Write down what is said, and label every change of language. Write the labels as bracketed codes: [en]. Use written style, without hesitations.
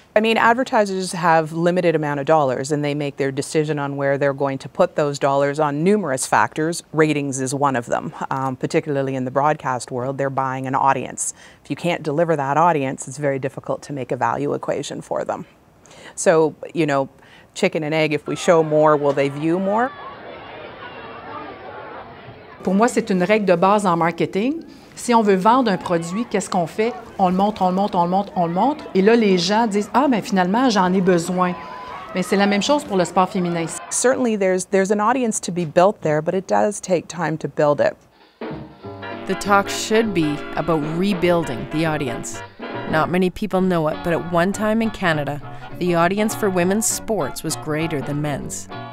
[en] I mean, advertisers have limited amount of dollars and they make their decision on where they're going to put those dollars on numerous factors. Ratings is one of them, particularly in the broadcast world, they're buying an audience. If you can't deliver that audience, it's very difficult to make a value equation for them. So, you know, chicken and egg, if we show more, will they view more? [fr] Pour moi, c'est une règle de base en marketing. Si on veut vendre un produit, qu'est-ce qu'on fait? On le montre, on le montre, on le montre, on le montre. Et là, les gens disent, ah, ben finalement, j'en ai besoin. Mais c'est la même chose pour le sport féminin. [en] Certainly, there's an audience to be built there, but it does take time to build it. The talk should be about rebuilding the audience. Not many people know it, but at one time in Canada, the audience for women's sports was greater than men's.